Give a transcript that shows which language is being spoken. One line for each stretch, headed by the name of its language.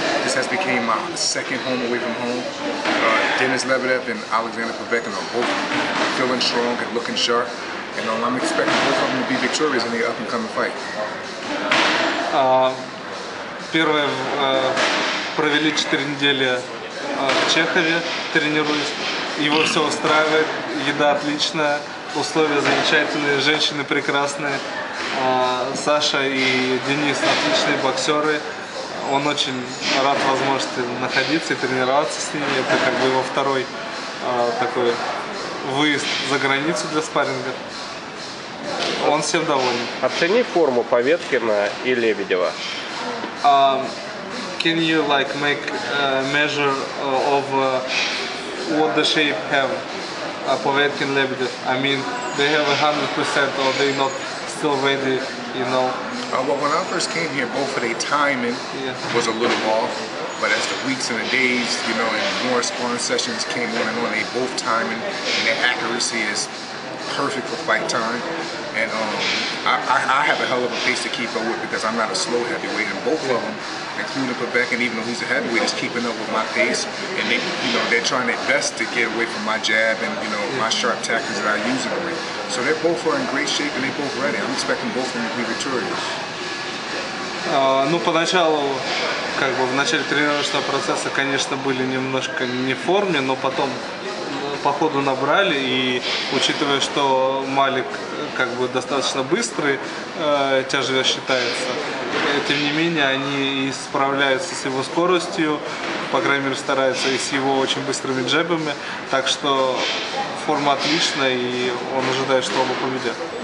English: This has became my second home away from home. Dennis Lebedev and Alexander Povetkin are both feeling strong and looking sharp. And I'm expecting both of them to be victorious in the up-and-coming fight.
Russian: Первые провели 4 недели в Чехове, тренируюсь, его все устраивает, еда отличная, условия замечательные, женщины прекрасные, Саша и Денис отличные боксеры, он очень рад возможности находиться и тренироваться с ними, это как бы его второй такой выезд за границу для спарринга, он всем доволен. Оцени форму Поветкина и Лебедева.
English: Can you like make a measure of what the shape have Povetkin Lebedev? I mean, they have 100% or they not still ready, you know? Well, when I first came here, both of their timing was a little off, but as the weeks and the days, you know, and more sparring sessions came on and on, they both timing and their accuracy is perfect for fight time. And I have a hell of a pace to keep up with because I'm not a slow heavyweight, and both of them, including Quebec and even though he's a heavyweight, is keeping up with my pace. And they, you know, they're trying their best to get away from my jab and, you know, my sharp tactics that I use in the ring. So they're both are in great shape and they're both ready. I'm expecting both of them to be victorious.
Russian: Ну, поначалу, как бы в начале тренировочного процесса, конечно, были немножко не в форме, но потом по ходу набрали, и учитывая, что Малик как бы достаточно быстрый тяжелец считается, тем не менее они и справляются с его скоростью, по крайней мере стараются, и с его очень быстрыми джебами, так что форма отличная, и он ожидает, что оба победят.